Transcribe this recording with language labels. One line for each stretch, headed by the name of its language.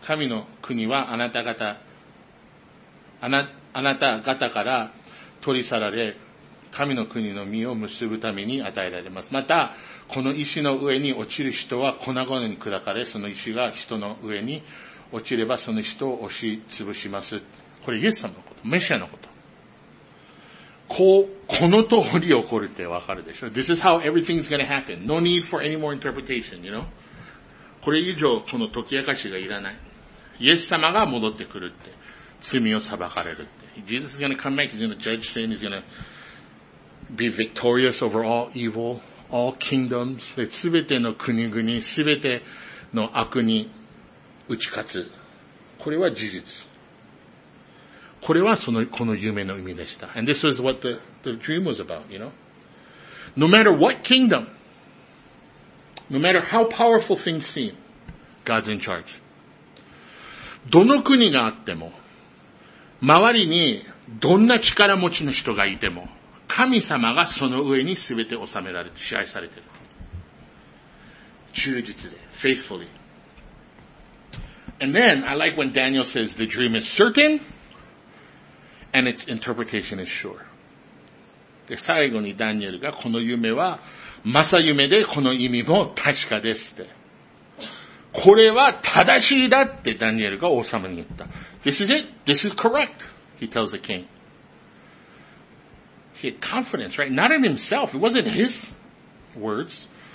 Japanese: 神の国はあなた方から取り去られ、神の国の実を結ぶために与えられます。また、この石の上に落ちる人は粉々に砕かれ、その石が人の上に落ちればその人を押し潰します。これイエス様のこと、メシアのこと。この通り起こるってわかるでしょ。
English: This is how everything's gonna happen. No need for any more interpretation, you know?
Japanese: これ以上この解き明かしがいらない。イエス様が戻ってくるって。罪を裁かれるって。
English: Jesus is gonna come back, he's gonna judge sin, he's gonna be victorious over all evil, all kingdoms,
Japanese: で、すべての国々、すべての悪に打ち勝つ。これは事実。これはこの夢の意味でした。
English: And this is what the dream was about, you know? No matter what kingdom, no matter how powerful things seem, God's in charge.
Japanese: どの国があっても、周りにどんな力持ちの人がいても、神様がその上にすべて収められて、支配されている。忠実で、faithfully.
English: And then, I like when Daniel says the dream is certain, and its interpretation is sure.
Japanese: で、最後にダニエルがこの夢は、まさ夢でこの意味も確かですって。これは正しいだってダニエルが王様に言った。
English: This is it. This is correct. He tells the king. He had confidence, right? Not in himself. It wasn't his words.